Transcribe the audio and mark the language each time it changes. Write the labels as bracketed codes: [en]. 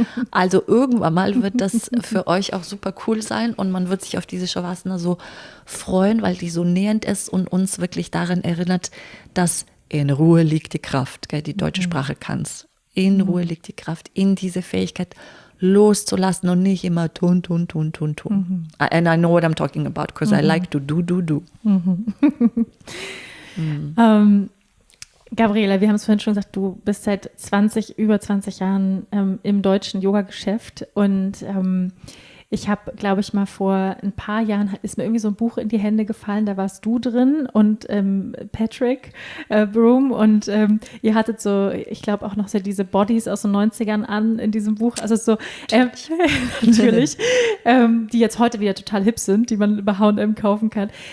[de] Also irgendwann mal wird das für euch auch super cool sein und man wird sich auf diese Shavasana so freuen, weil die so nährend ist und uns wirklich daran erinnert, dass in Ruhe liegt die Kraft, gell? Die deutsche Sprache kann es. In Ruhe liegt die Kraft, in diese Fähigkeit loszulassen und nicht immer tun, tun, tun, tun, tun. Mhm. [en] And I know what I'm talking about, because I like to do, do, do. [de] Gabriela, wir haben es vorhin schon gesagt, du bist seit über 20 Jahren im deutschen Yoga-Geschäft und ich habe, glaube ich, mal vor ein paar Jahren ist mir irgendwie so ein Buch in die Hände gefallen, da warst du drin und Patrick Broom und ihr hattet so, ich glaube auch noch so diese Bodies aus den 90ern an in diesem Buch, also so natürlich, die jetzt heute wieder total hip sind, die man bei H&M kaufen kann.